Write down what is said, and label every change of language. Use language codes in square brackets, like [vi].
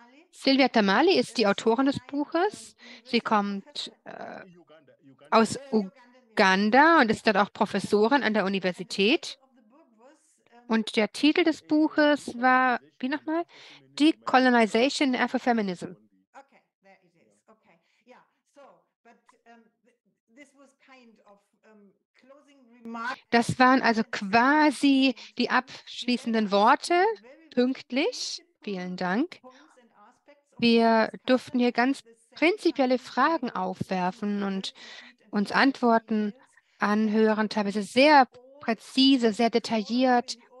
[de] Silvia Tamale ist die Autorin des Buches. Sie kommt aus Uganda und ist dort auch Professorin an der Universität. Und der Titel des Buches war, wie nochmal? [en] Decolonization and Afrofeminism. Okay, there it is. Okay. Yeah, so, but this was kind of closing remarks. [de] Das waren also quasi die abschließenden Worte, pünktlich. Vielen Dank. Wir durften hier ganz prinzipielle Fragen aufwerfen und uns Antworten anhören, teilweise sehr präzise, sehr detailliert.